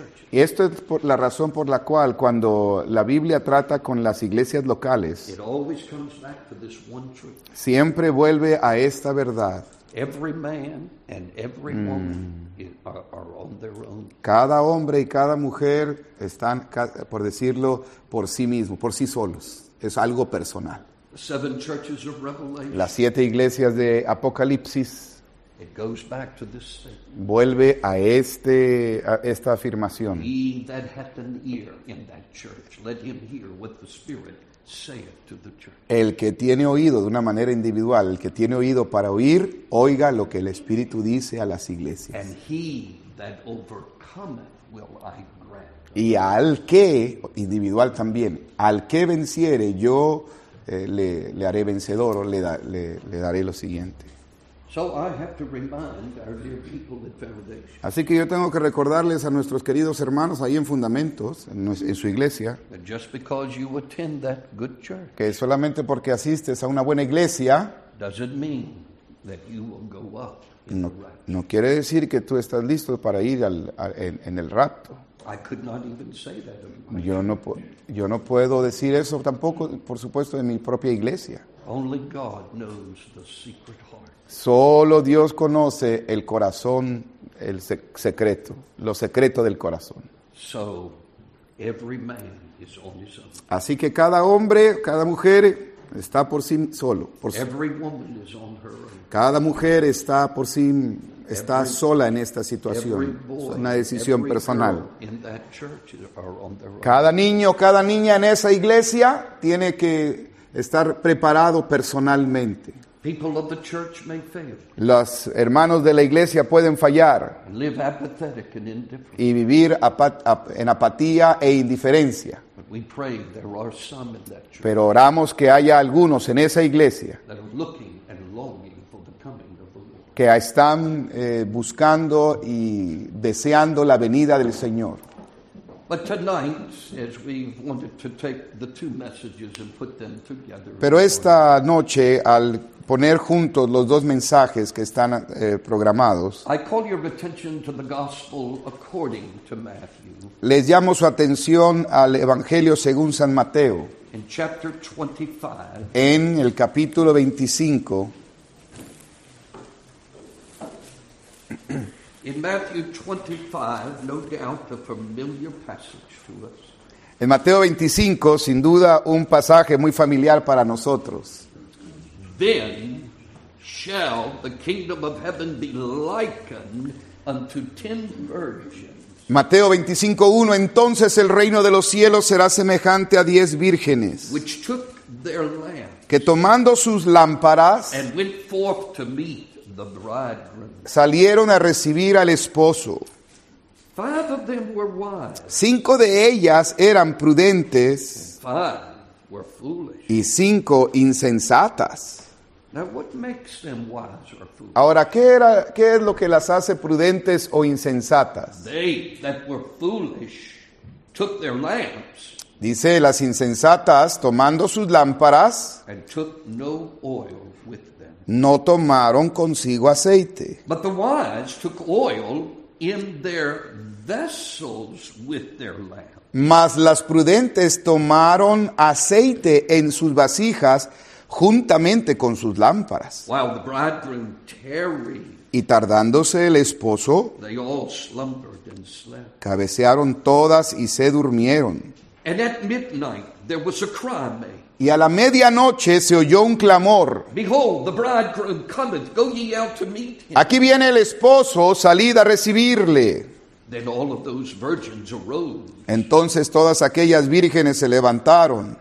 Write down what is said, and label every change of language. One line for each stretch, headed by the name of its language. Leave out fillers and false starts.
Spanish: Y esto es la razón por la cual cuando la Biblia trata con las iglesias locales,
English: it always comes back to this one truth.
Spanish: Siempre vuelve a esta verdad.
English: Every man and every woman are on their own.
Spanish: Cada hombre y cada mujer están, por decirlo, por sí mismo, por sí solos. Es algo personal.
English: Seven churches of Revelation.
Spanish: Las siete iglesias de Apocalipsis.
English: It goes back to this.
Spanish: Vuelve a esta afirmación.
English: He that hath an ear in that church, let him hear what the Spirit say it to the church.
Spanish: El que tiene oído de una manera individual, el que tiene oído para oír, oiga lo que el Espíritu dice a las iglesias.
English: And he that overcometh will I grant.
Spanish: Y al que, individual también, al que venciere, yo le haré vencedor, o le daré lo siguiente.
English: So I have to remind our dear people at Foundation.
Spanish: Así que yo tengo que recordarles a nuestros queridos hermanos ahí en Fundamentos, en su iglesia,
English: that just because you attend that good church,
Spanish: que solamente porque asistes a una buena iglesia,
English: doesn't mean that you will go up in
Spanish: no,
English: the rapture.
Spanish: No quiere decir que tú estás listo para ir en el rapto.
English: I could not even say that.
Spanish: Yo no puedo decir eso tampoco, por supuesto, en mi propia iglesia.
English: Only God knows the secret heart.
Spanish: Solo Dios conoce el corazón, el secreto, lo secreto del corazón.
English: So, every man is on his own.
Spanish: Así que cada hombre, cada mujer está por sí solo.
English: Every woman is on her own.
Spanish: Cada mujer está por sí, está
English: every,
Spanish: sola en esta situación.
English: Boy,
Spanish: es una decisión personal.
English: In that church are on their own.
Spanish: Cada niño, cada niña en esa iglesia tiene que estar preparado personalmente.
English: People of the church may fail.
Spanish: Los hermanos de la iglesia pueden fallar.
English: Live apathetic and indifferent.
Spanish: Y vivir en apatía e indiferencia.
English: But we pray there are some in that church.
Spanish: Pero oramos que haya algunos en esa iglesia
English: that are looking and longing for the coming of the Lord.
Spanish: Que están buscando y deseando la venida del Señor.
English: But tonight, as we wanted to take the two messages and put them together.
Spanish: Pero esta noche, al poner juntos los dos mensajes que están programados,
English: I call your attention to the gospel according to Matthew.
Spanish: Les llamo su atención al Evangelio según San Mateo.
English: In chapter 25.
Spanish: En el capítulo 25.
English: In Matthew 25, no doubt a familiar passage to us.
Spanish: En Mateo 25, sin duda un pasaje muy familiar para nosotros.
English: Then shall the kingdom of heaven be likened unto 10 virgins.
Spanish: Mateo 25:1, entonces el reino de los cielos será semejante a 10 vírgenes.
English: Which took their lamps.
Spanish: Que tomando sus lámparas.
English: And went forth to meet the bridegroom.
Spanish: Salieron a recibir al esposo.
English: 5 of them were wise.
Spanish: 5 de ellas eran prudentes.
English: And 5. Were foolish.
Spanish: Y 5 insensatas.
English: Now, what makes them wise or foolish?
Spanish: Ahora, ¿qué es lo que las hace prudentes o insensatas?
English: They that were foolish took their lamps.
Spanish: Dice, las insensatas, tomando sus lámparas,
English: and took no oil with them.
Spanish: No tomaron consigo aceite.
English: But the wise took oil in their vessels with their lamps.
Spanish: Mas las prudentes tomaron aceite en sus vasijas juntamente con sus lámparas.
English: While the bridegroom tarried,
Spanish: y tardándose el esposo,
English: they all slumbered and slept.
Spanish: Cabecearon todas y se durmieron.
English: And at midnight, there was a cry made.
Spanish: Y a la medianoche se oyó un clamor.
English: Behold, the bridegroom cometh, go ye out to meet him.
Spanish: Aquí viene el esposo, salid a recibirle.
English: Then all of those virgins arose.
Spanish: Entonces todas aquellas vírgenes se levantaron.